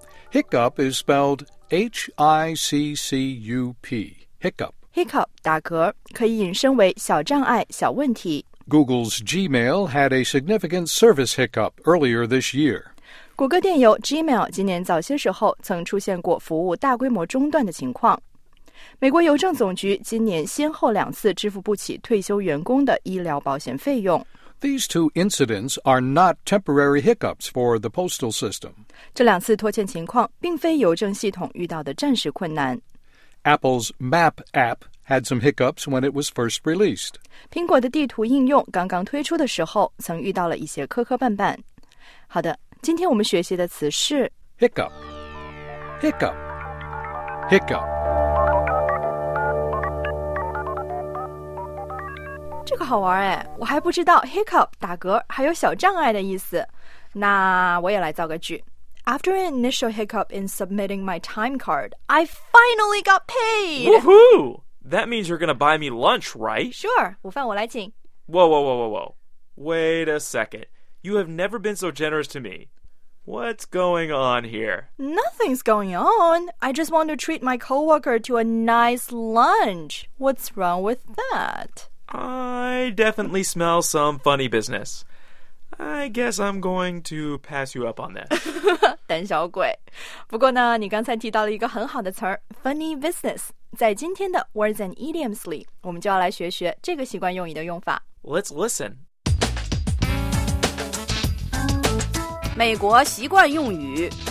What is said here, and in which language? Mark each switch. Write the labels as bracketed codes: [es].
[en] Hiccup is spelled H-I-C-C-U-P. Hiccup. [zh] Hiccup, 打嗝,可以引申为小障碍,小问题。 [en] Google's Gmail had a significant service hiccup earlier this year. [zh] 谷歌电邮 Gmail 今年早些时候曾出现过服务大规模中断的情况。美国邮政总局今年先后两次支付不起退休员工的医疗保险费用。 [en] These two incidents are not temporary hiccups for the postal system. [zh] 这两次拖欠情况并非邮政系统遇到的暂时困难。 [en] Apple's Map app had some hiccups when it was first released. [zh] 苹果的地图应用刚刚推出的时候曾遇到了一些磕磕绊绊。好的，今天我们学习的词是 [en] Hiccup, Hiccup, Hiccup. [zh] 这个好玩哎，我还不知道 Hiccup, 打嗝还有小障碍的意思。那我也来造个句。 [en] After an initial hiccup in submitting my time card, I finally got paid! Woohoo! That means you're gonna buy me lunch, right? [zh] Sure, 午饭我来请。 [en] Whoa. Wait a second. You have never been so generous to me. What's going on here? Nothing's going on. I just want to treat my coworker to a nice lunch. What's wrong with that? I definitely smell some funny business. I guess I'm going to pass you up on that. [zh] 胆小鬼。不过呢，你刚才提到了一个很好的词儿 ,funny business. 在今天的 Words and Idioms 里，我们就要来学学这个习惯用语的用法。 [en] Let's listen. [zh] 美国习惯用语